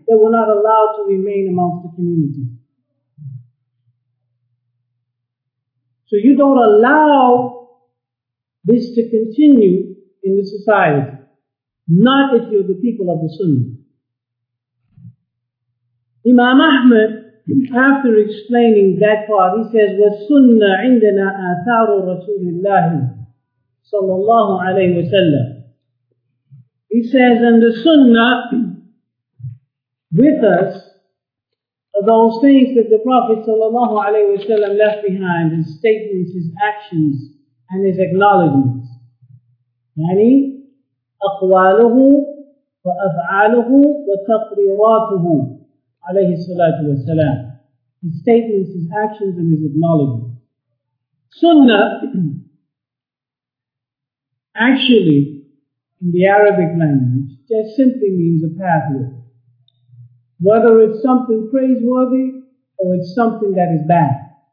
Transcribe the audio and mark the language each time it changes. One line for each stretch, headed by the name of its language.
English: They were not allowed to remain amongst the community. So you don't allow this to continue in the society. Not if you're the people of the Sunnah. Imam Ahmad, after explaining that part, he says,
Arabic: وَالسُنَّ عِنْدَنَا آثَارُ رَسُولِ اللَّهِ صَلَّى اللَّهُ عَلَيْهِ وَسَلَّمُ.
English: He says, and the Sunnah with us are those things that the Prophet ﷺ left behind, his statements, his actions, and his acknowledgments.
Arabic: يعني أقواله وأفعاله وتقريراته عليه الصلاة والسلام.
English: His statements, his actions, and his acknowledgments. Sunnah, actually, in the Arabic language, just simply means a pathway. Whether it's something praiseworthy or it's something that is bad.